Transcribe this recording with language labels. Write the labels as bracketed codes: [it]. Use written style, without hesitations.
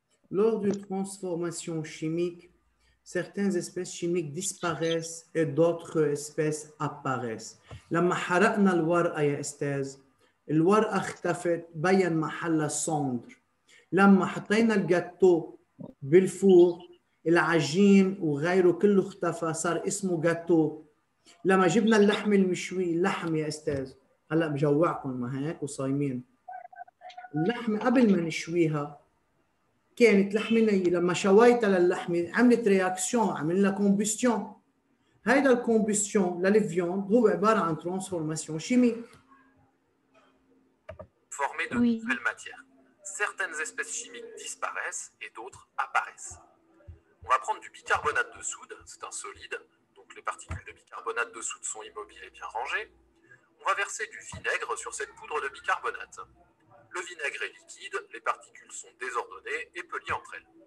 [fr] Lors d'une transformation chimique, certaines espèces chimiques disparaissent et d'autres espèces apparaissent. [ar] لما حرقنا الورقة يا أستاذ، الورقة اختفت بين محلها صندر. لما حطينا الجاتو بالفوق، العجين وغيره كله اختفى، صار اسمه جاتو. لما جبنا اللحم المشوي، اللحم يا أستاذ، هلأ بجوعكم ما هيك وصايمين، اللحم قبل ما نشويها كانت لحمة نية، لما شويتها للحمة عملت رياكسيون، عملنا كومبستيون. هيدا الكومبستيون للفيون هو عبارة عن ترانسفورماسيون شيميك. [fr] Formé de nouvelles matières. certaines espèces chimiques disparaissent et d'autres apparaissent. On va prendre du bicarbonate de soude, c'est un solide, donc les particules de bicarbonate de soude sont immobiles et bien rangées. On va verser du vinaigre sur cette poudre de bicarbonate. Le vinaigre est liquide, les particules sont désordonnées et peu liées entre elles.